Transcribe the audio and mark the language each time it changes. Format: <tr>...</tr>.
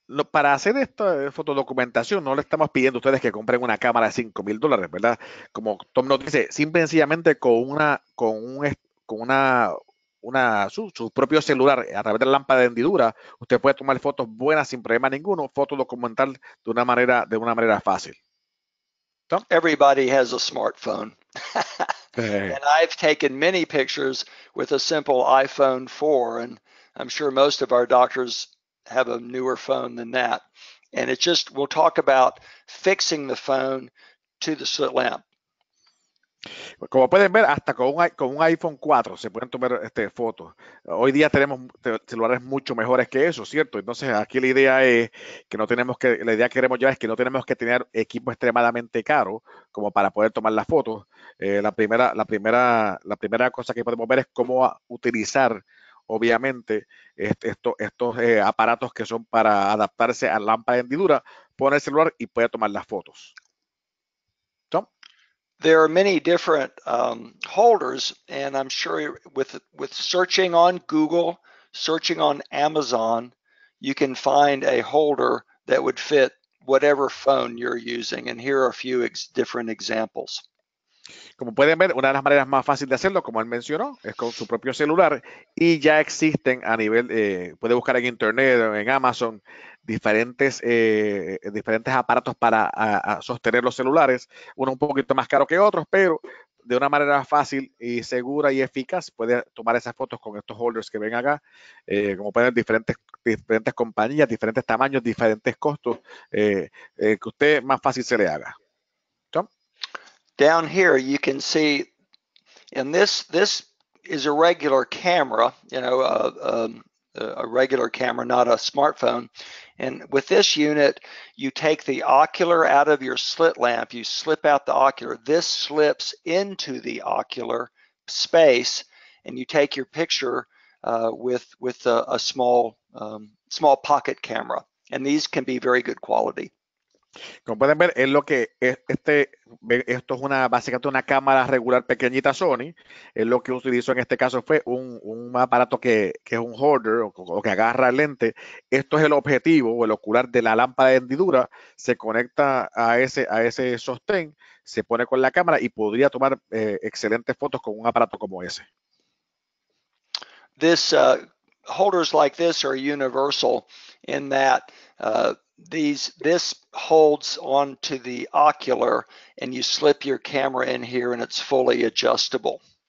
<es>Para hacer esta fotodocumentación, no le estamos pidiendo a ustedes que compren una cámara de $5,000, ¿verdad? Como Tom nos dice, simple y sencillamente con su propio celular a través de la lámpara de hendidura, usted puede tomar fotos buenas sin problema ninguno, fotodocumentar de una manera fácil.</es> <en>Tom? Everybody has a smartphone. And I've taken many pictures with a simple iPhone 4, and I'm sure most of our doctors have a newer phone than that. And it's just, we'll talk about fixing the phone to the slit lamp.</en> <es>Como pueden ver, hasta con un iPhone 4 se pueden tomar fotos. Hoy día tenemos celulares mucho mejores que eso, ¿cierto? Entonces, aquí la idea es que no tenemos que, la idea que queremos llevar es que no tenemos que tener equipo extremadamente caro como para poder tomar las fotos. La primera cosa que podemos ver es cómo utilizar, obviamente, estos aparatos que son para adaptarse a lámpara de hendidura, poner el celular y poder tomar las fotos.</es> <en>There are many different holders, and I'm sure with searching on Google, searching on Amazon, you can find a holder that would fit whatever phone you're using. And here are a few different examples.</en> <es>Como pueden ver, una de las maneras más fáciles de hacerlo, como él mencionó, es con su propio celular. Y ya existen a nivel, puede buscar en Internet o en Amazon, diferentes aparatos para a sostener los celulares. Uno un poquito más caro que otros, pero de una manera fácil y segura y eficaz, puede tomar esas fotos con estos holders que ven acá. Como pueden ver, diferentes compañías, diferentes tamaños, diferentes costos, que usted más fácil se le haga.</es> <en>Down here, you can see, and this is a regular camera, you know, a regular camera, not a smartphone. And with this unit, you take the ocular out of your slit lamp, you slip out the ocular, this slips into the ocular space, and you take your picture with a small pocket camera. And these can be very good quality.</en> <es>Como pueden ver, es lo que esto es una básicamente una cámara regular pequeñita Sony. Es lo que utilizó en este caso fue un aparato que es un holder o que agarra el lente. Esto es el objetivo o el ocular de la lámpara de hendidura. Se conecta a ese sostén, se pone con la cámara y podría tomar excelentes fotos con un aparato como ese.</es> <en>Holders like this are universal in that this holds onto the ocular and you slip your camera in here and it's fully adjustable.</en>